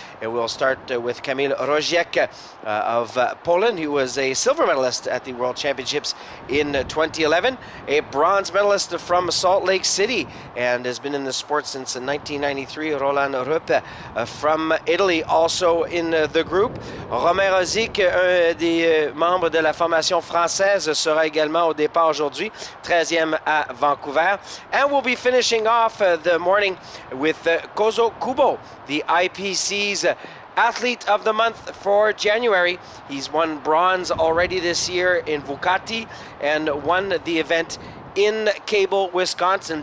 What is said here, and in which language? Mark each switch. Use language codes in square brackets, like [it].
[en] And we'll start with Kamil Rozek of Poland, who was a silver medalist at the World Championships in 2011, a bronze medalist from Salt Lake City, and has been in the sport since 1993. Roland Ruppe from Italy, also in the group. [fr] Romain Rozek, un des membres de la formation française, sera également au départ aujourd'hui, 13e à Vancouver. [en] And we'll be finishing off the morning with Kozo Kubo, the IPC's Athlete of the Month for January. He's won bronze already this year in Vukati and won the event in Cable, Wisconsin.